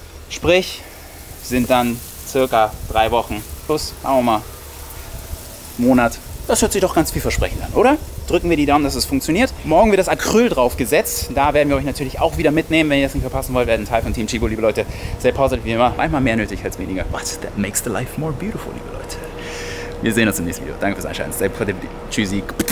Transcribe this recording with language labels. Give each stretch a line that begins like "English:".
German: Sprich, sind dann circa 3 Wochen plus, sagen wir mal, Monat. Das hört sich doch ganz vielversprechend an, oder? Drücken wir die Daumen, dass es funktioniert. Morgen wird das Acryl draufgesetzt. Da werden wir euch natürlich auch wieder mitnehmen. Wenn ihr das nicht verpassen wollt, werdet ein Teil von Team Chibo, liebe Leute.
English: Stay positive
German: wie immer. Einmal mehr nötig als weniger.
English: But that makes the life more beautiful,
German: liebe Leute. Wir sehen uns im nächsten Video. Danke fürs Einschalten.
English: Stay positive.
German: Tschüssi.